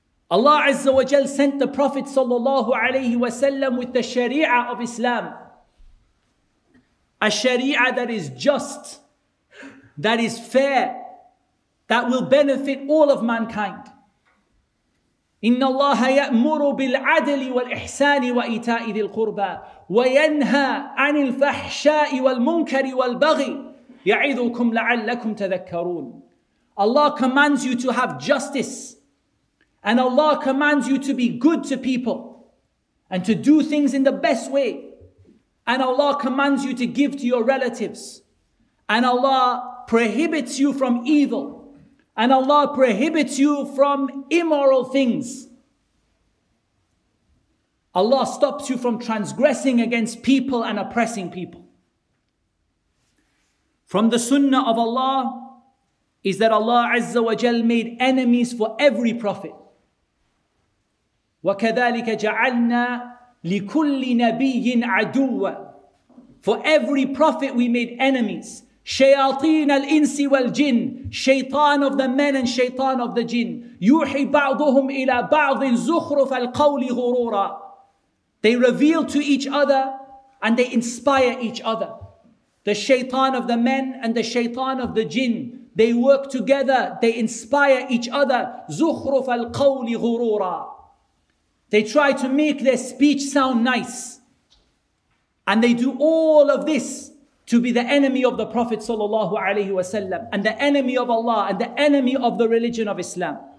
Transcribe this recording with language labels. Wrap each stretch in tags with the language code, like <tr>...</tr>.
<en>Allah Azza wa Jal sent the Prophet sallallahu alaihi wasallam with the Sharia of Islam, a Sharia that is just, that is fair, that will benefit all of mankind.</en> <ar>إن الله يأمر بالعدل والإحسان وإيتاء ذي القربى وينهى عن الفحشاء والمنكر والبغي يعظكم لعلكم تذكرون.</ar> <en>Allah commands you to have justice, and Allah commands you to be good to people and to do things in the best way, and Allah commands you to give to your relatives, and Allah prohibits you from evil, and Allah prohibits you from immoral things. Allah stops you from transgressing against people and oppressing people. From the sunnah of Allah is that Allah Azza wa Jal made enemies for every prophet.</en> <ar>وَكَذَلِكَ جَعَلْنَا لِكُلِّ نَبِيٍ عَدُوًا.</ar> <en>For every prophet we made enemies.</en> <ar>شياطين الإنس والجن,</ar> <en>شيطان of the men and شيطان of the jinn.</en> <ar>يوحي بعضهم إلى بعض زخرف القول غرورا.</ar> <en>They reveal to each other and they inspire each other. The shaitan of the men and the shaitan of the jinn, they work together, they inspire each other.</en> <ar>زخرف القول غرورا.</ar> <en>They try to make their speech sound nice. And they do all of this to be the enemy of the Prophet sallallahu alaihi wasallam, and the enemy of Allah, and the enemy of the religion of Islam.</en>